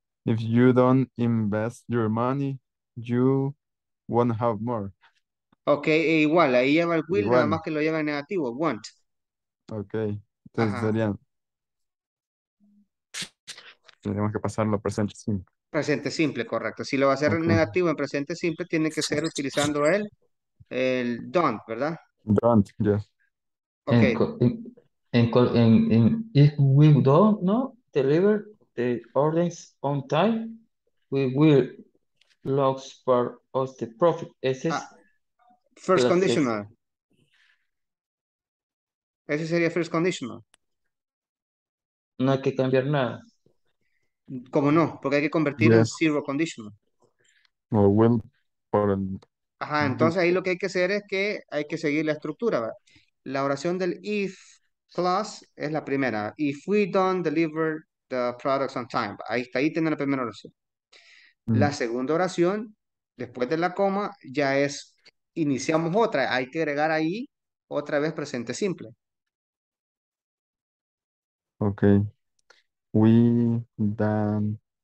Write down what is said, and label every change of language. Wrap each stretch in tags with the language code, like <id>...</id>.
<en>If you don't invest your money, you won't have more.</en> <es>Okay, igual, ahí lleva el will, nada más que lo lleva en negativo, won't. Okay, entonces serían. Tendríamos que pasarlo a presente simple. Presente simple, correcto. Si lo va a hacer negativo en presente simple, tiene que ser utilizando el don't, ¿verdad?</es> <en>Don't, yes. Okay. If we don't, no, deliver the orders on time, we will lose part of the profit.</en> <es>Ese es</es> <en>first conditional.</en> <es>Ese sería first conditional. No hay que cambiar nada. ¿Cómo no? Porque hay que convertir en zero conditional. No, will por el. Ajá, entonces ahí lo que hay que hacer es que hay que seguir la estructura. La oración del if plus es la primera.</es> <en>If we don't deliver the products on time.</en> <es>Ahí está, ahí tiene la primera oración. La segunda oración, después de la coma, ya es, iniciamos otra. Hay que agregar ahí otra vez presente simple.</es> <en>Ok. We done.</en>